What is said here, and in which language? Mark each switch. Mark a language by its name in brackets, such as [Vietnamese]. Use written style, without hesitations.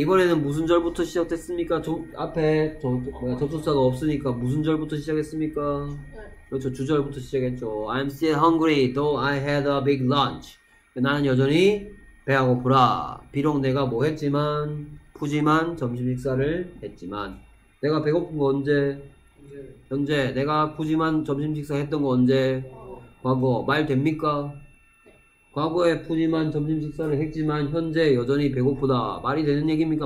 [Korean] 이번에는 무슨 절부터 시작됐습니까? 앞에 접속사가 없으니까 무슨 절부터 시작했습니까? 그렇죠, 주절부터 시작했죠. [English] I'm still hungry, though I had a big lunch. [Korean] 나는 여전히 배가 고프라. 비록 내가 뭐 했지만, 푸짐한 점심 식사를 했지만, 내가 배고픈 거 언제? 현재. 내가 푸짐한 점심 식사 했던 거 언제? 과거. 말 됩니까? 과거에 푸짐한 점심 식사를 했지만 현재 여전히 배고프다. 말이 되는 얘기입니까?